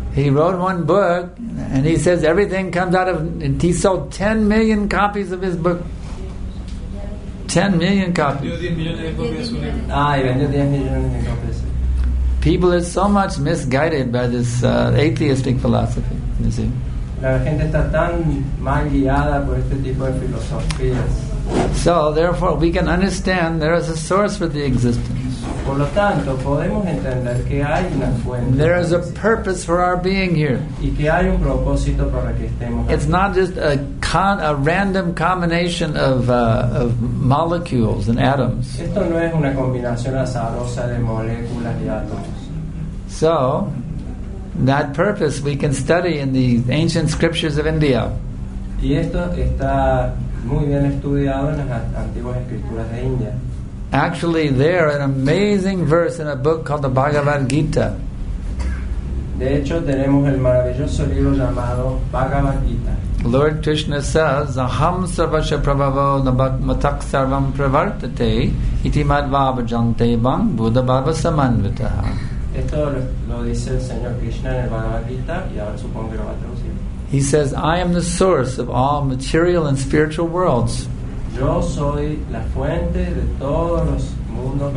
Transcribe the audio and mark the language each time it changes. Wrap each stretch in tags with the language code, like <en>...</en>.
<en>He wrote one book, and he says everything comes out of, and he sold 10 million copies of his book. 10 million copies.</en> <es>Vendió 10 millones de copias.</es> <en>People are so much misguided by this atheistic philosophy, you see.</en> <es>La gente está tan La gente está tan mal guiada por este tipo de filosofías.</es> <en>So therefore we can understand there is a source for the existence.</en> <es>Por lo tanto, podemos entender que hay una fuente.</es> <en>There is a purpose for our being here.</en> <es>Y que hay un propósito para que estemos.</es> <en>It's aquí. Not just a random combination of molecules and atoms.</en> <es>Esto no es una combinación azarosa de moléculas y átomos.</es> <en>So that purpose we can study in the ancient scriptures of India.</en> <es>Y esto está muy bien estudiado en las antiguas escrituras de India.</es> <en>Actually, there an amazing verse in a book called the Bhagavad Gita.</en> <es>De hecho, tenemos el maravilloso libro llamado Bhagavad Gita.</es> <sa>Lord Krishna says, "Aham sarvasya prabhavo nabhak sarvam pravartate iti madvava jante bang buddha bhava samanvitaha."</sa> <es>Esto lo dice el señor Krishna en el Bhagavad Gita, y ahora supongo que lo va a traducir.</es> <en>He says, "I am the source of all material and spiritual worlds."</en> <es>Yo soy la fuente de todos los mundos.</es>